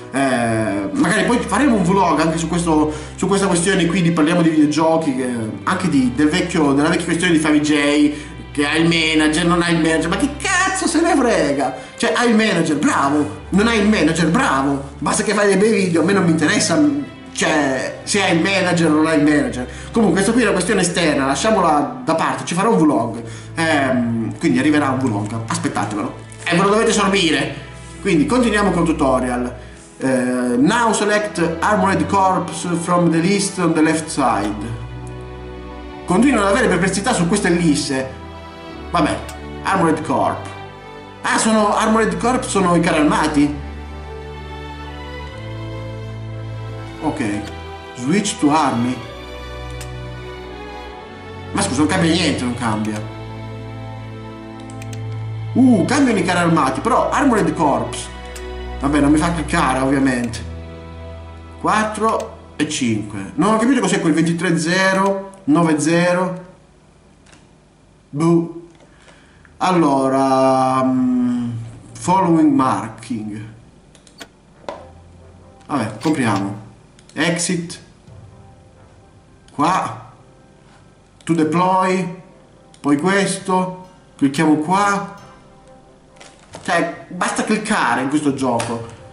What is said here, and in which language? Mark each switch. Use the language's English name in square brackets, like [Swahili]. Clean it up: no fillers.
[Italian] Magari poi faremo un vlog anche su questa questione qui di Parliamo di videogiochi, anche di della vecchia questione di FamiJ, che ha il manager, non ha il manager, ma che cazzo se ne frega, cioè ha il manager, bravo, non ha il manager, bravo, basta che fai dei bei video, a me non mi interessa. Cioè, se hai il manager o non hai il manager. Comunque, questa qui è una questione esterna, lasciamola da parte, ci farò un vlog. Quindi arriverà un vlog, aspettatevelo. E ve lo dovete sorbire. Quindi, continuiamo con il tutorial. [English] Now select Armored Corps from the list on the left side. [Italian] Continuo ad avere perplessità su queste ellisse. Vabbè, Armored Corps. Ah, sono Armored Corps, sono i carri armati? [English] Ok, switch to army. [Italian] Ma scusa, non cambia niente, non cambia. Cambiano i carri armati, però Armored Corps. Vabbè, non mi fa cliccare, ovviamente. 4 e 5. Non ho capito cos'è quel 23-0, 9-0. Buh. [English] Allora, following marking. [Italian] Vabbè, compriamo. Exit qua, [English] to deploy, [Italian] poi questo, clicchiamo qua, cioè basta cliccare in questo gioco.